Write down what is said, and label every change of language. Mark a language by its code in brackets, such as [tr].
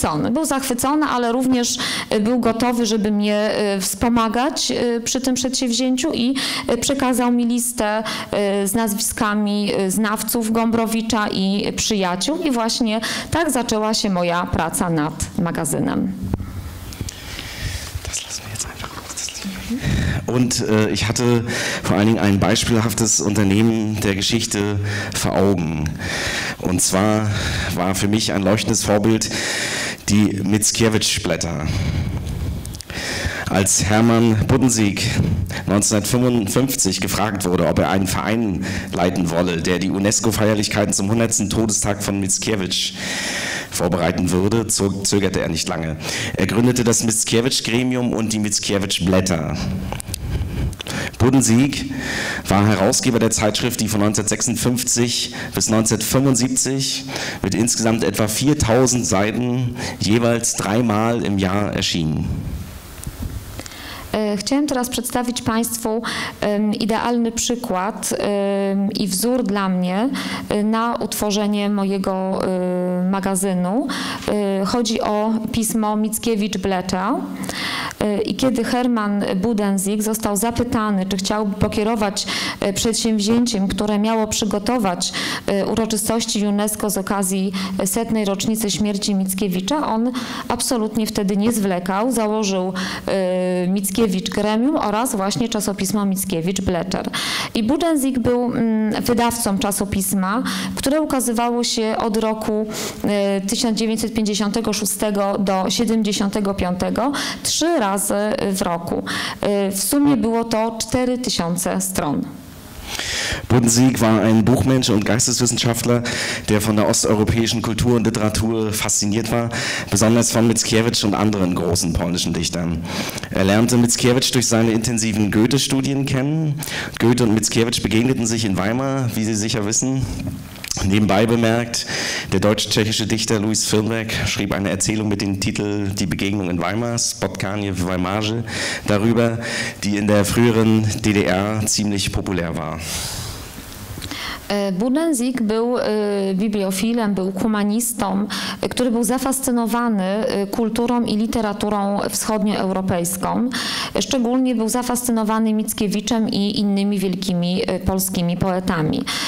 [pl] Był zachwycony, ale również był gotowy, żeby mnie wspomagać przy tym przedsięwzięciu, i przekazał mi listę z nazwiskami znawców Gombrowicza i przyjaciół, i właśnie tak zaczęła się moja praca nad magazynem. [de] Und ich hatte vor allen Dingen ein beispielhaftes Unternehmen der Geschichte vor Augen. Und zwar war für mich ein leuchtendes Vorbild die Mickiewicz-Blätter. Als Hermann Buddensieg 1955 gefragt wurde, ob er einen Verein leiten wolle, der die UNESCO-Feierlichkeiten zum 100. Todestag von Mickiewicz vorbereiten würde, zögerte er nicht lange. Er gründete das Mickiewicz-Gremium und die Mickiewicz-Blätter. Buddensieg war Herausgeber der Zeitschrift, die von 1956 bis 1975 mit insgesamt etwa 4000 Seiten jeweils dreimal im Jahr erschien. [pl] Chciałem teraz przedstawić Państwu idealny przykład i wzór dla mnie na utworzenie mojego magazynu. Chodzi o pismo Mickiewicz-Blätter. I kiedy Hermann Buddensieg został zapytany, czy chciałby pokierować przedsięwzięciem, które miało przygotować uroczystości UNESCO z okazji 100. rocznicy śmierci Mickiewicza, on absolutnie wtedy nie zwlekał, założył Mickiewicz Gremium oraz właśnie czasopismo Mickiewicz Blätter. I Buddensieg był wydawcą czasopisma, które ukazywało się od roku 1956 do 1975, trzy razy w roku. W sumie było to 4000 stron. [de] Buddensieg war ein Buchmensch und Geisteswissenschaftler, der von der osteuropäischen Kultur und Literatur fasziniert war, besonders von Mickiewicz und anderen großen polnischen Dichtern. Er lernte Mickiewicz durch seine intensiven Goethe-Studien kennen. Goethe und Mickiewicz begegneten sich in Weimar, wie Sie sicher wissen. Nebenbei bemerkt, der deutsch-tschechische Dichter Louis Firnberg schrieb eine Erzählung mit dem Titel Die Begegnung in Weimar, [pl] Spotkanie w Weimarze, [de] darüber, die in der früheren DDR ziemlich populär war. [pl] Buddensieg był bibliofilem, był humanistą, który był zafascynowany kulturą i literaturą wschodnioeuropejską. Szczególnie był zafascynowany Mickiewiczem i innymi wielkimi polskimi poetami.